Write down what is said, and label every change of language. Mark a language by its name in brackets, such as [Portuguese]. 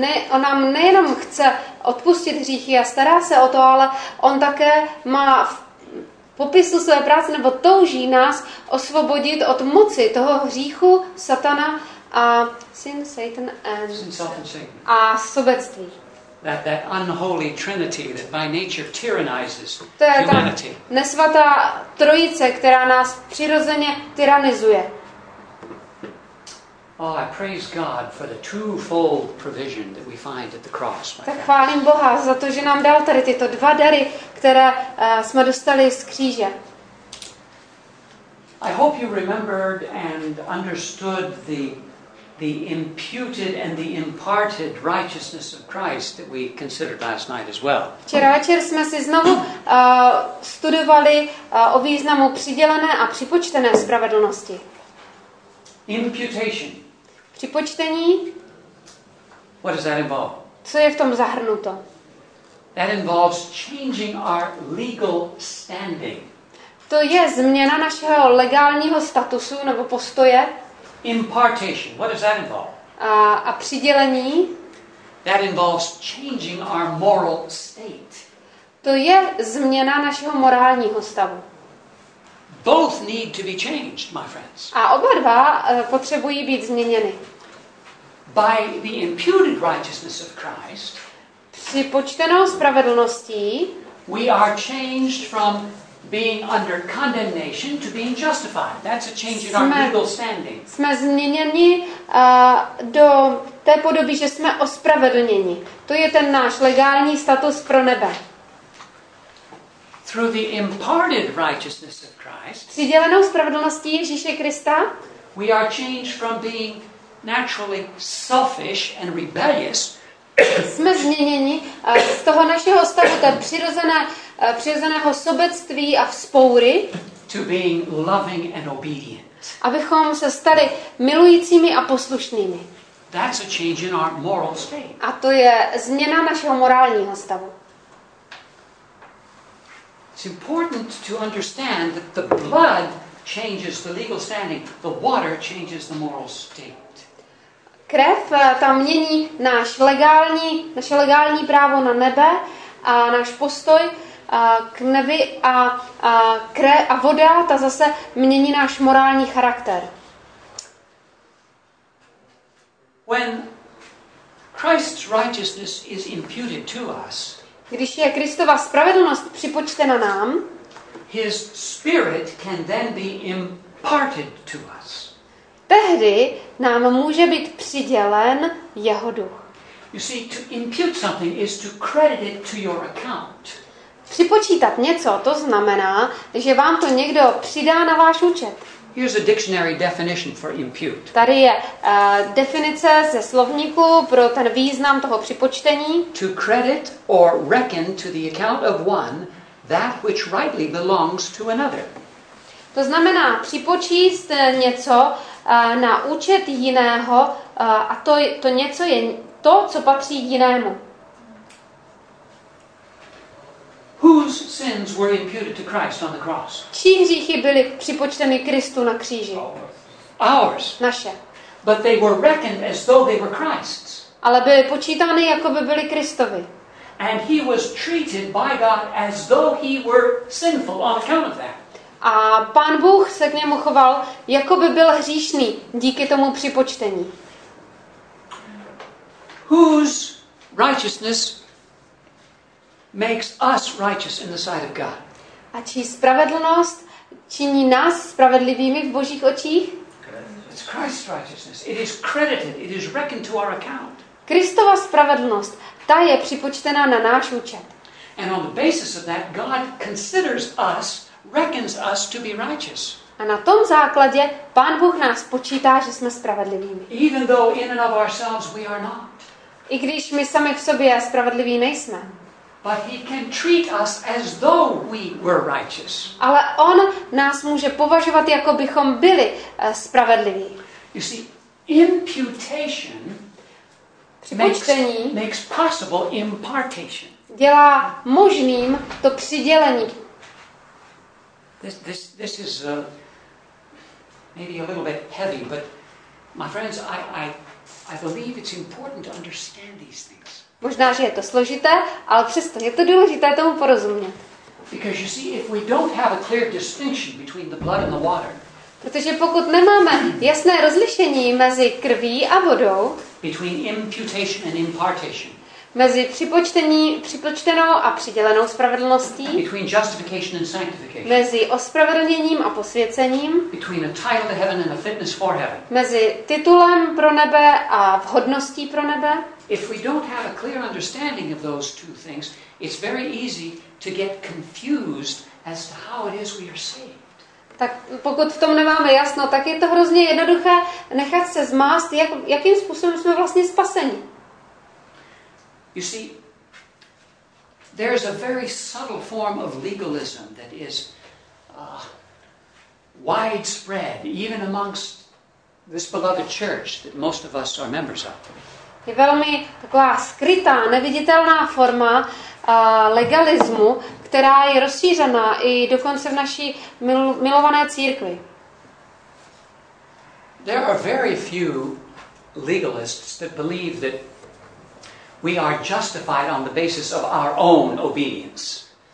[Czech] On nám nejenom chce odpustit hříchy a stará se o to, ale on také má v popisu své práce nebo touží nás osvobodit od moci toho hříchu Satana a [English] sin, Satan and sin, self and Satan. [Czech] A sobectví. [English] That unholy trinity that by nature tyrannizes humanity. [Czech] Nesvatá trojice, která nás přirozeně tyranizuje. [English] Oh, I praise God for the twofold provision that we find at the cross. [Czech] Tak chválím Boha za to, že nám dal tady tyto dva dary, které jsme dostali z kříže. [English] I hope you remembered and understood the imputed and the imparted righteousness of Christ that we considered last night as well. [Czech] Včera večer jsme si znovu studovali o významu přidělené a připočtené spravedlnosti. [English] Imputation. [Czech] Připočtení. [English] What does that involve? [Czech] Co je v tom zahrnuto? [English] That involves changing our legal standing. [Czech] To je změna našeho legálního statusu nebo postoje. [English] Impartation. What does that involve? [Czech] A přidělení. [English] That involves changing our moral state. [Czech] To je změna našeho morálního stavu. [English] Both need to be changed, my friends. [Czech] A oba dva potřebují být změněny. [English] By the imputed righteousness of Christ, [Czech] připočtenou spravedlností, [English] we are changed from being under condemnation to being justified. That's a change in our legal standing. [Czech] Jsme změněni do té podoby, že jsme ospravedlněni. To je ten náš legální status pro nebe. [English] Through the imparted righteousness of Christ, [Czech] přidělenou spravedlností Ježíše Krista, [English] we are changed from being naturally selfish and rebellious. [Czech] Jsme změněni z toho našeho stavu té přirozeného sobectví a vzpoury, [English] to being loving and obedient. [Czech] Abychom se stali milujícími a poslušnými. [English] That's a change in our moral state. [Czech] A to je změna našeho morálního stavu. [English] It's important to understand that the blood changes the legal standing, the water changes the moral state. [Czech] Krev tam mění naše legální právo na nebe a náš postoj k nebi a voda ta zase mění náš morální charakter. [English] When Christ's righteousness is imputed to us, [Czech] když je Kristova spravedlnost připočtena nám, [English] his spirit can then be imparted to us. [Czech] Tehdy nám může být přidělen jeho duch. [English] You see, to impute something is to credit it to your account. [Czech] Připočítat něco, to znamená, že vám to někdo přidá na váš účet. [English] Here's a dictionary definition for impute. [Czech] Tady je definice ze slovníku pro ten význam toho připočtení. [English] To credit or reckon to the account of one that which rightly belongs to another. [Czech] To znamená připočíst něco na účet jiného a to něco je to, co patří jinému. [English] Whose sins were imputed to Christ on the cross? [Czech] Čí hříchy byly připočteny Kristu na kříži? [English] Ours. [Czech] Naše. [English] But they were reckoned as though they were Christ's. [Czech] Ale byly počítány, jako by byly Kristovi. [English] And he was treated by God as though he were sinful on account of that. [Czech] A Pán Bůh se k němu choval, jako by byl hříšný díky tomu připočtení. [English] Whose righteousness makes us righteous in the sight of God? [Czech] A čí spravedlnost činí nás spravedlivými v Božích očích? [English] It's Christ's righteousness. It is credited. It is reckoned to our account. [Czech] Kristova spravedlnost, ta je připočtená na náš účet. [English] And on the basis of that, God considers us, reckons us to be righteous. [Czech] A na tom základě Pán Bůh nás počítá, že jsme spravedlivými. [English] Even though in and of ourselves we are not. [Czech] I když my sami v sobě spravedliví nejsme. [English] But he can treat us as though we were righteous. [Czech] Ale on nás může považovat, jako bychom byli spravedliví. [English] You see, imputation [Czech] připočtení [English] makes possible impartation. [Czech] Dělá možným to přidělení. [English] This is maybe a little bit heavy, but my friends, I believe it's important to understand these things. [Czech] Možná, že je to složité, ale přesto je to důležité tomu porozumět. [English] Because you see, if we don't have a clear distinction between the blood and the water. [Czech] Protože pokud nemáme jasné rozlišení mezi krví a vodou. [English] Between imputation and impartation. [Czech] Mezi připočtenou a přidělenou spravedlností. [English] Between justification and sanctification. [Czech] Mezi ospravedlněním a posvěcením. [English] Between a title to heaven and a fitness for heaven. [Czech] Mezi titulem pro nebe a vhodností pro nebe. [English] If we don't have a clear understanding of those two things, it's very easy to get confused as to how it is we are saved. [Czech] Tak pokud v tom nemáme jasno, tak je to hrozně jednoduché nechat se zmást, jakým způsobem jsme vlastně spaseni. [English] You see, there is a very subtle form of legalism that is widespread even amongst this beloved church that most of us are members of. [Czech] Je velmi taková skrytá, neviditelná forma legalismu, která je rozšířena i dokonce v naší milované církvi. [English] There are very few legalists that believe that we are justified on the basis of our own obedience.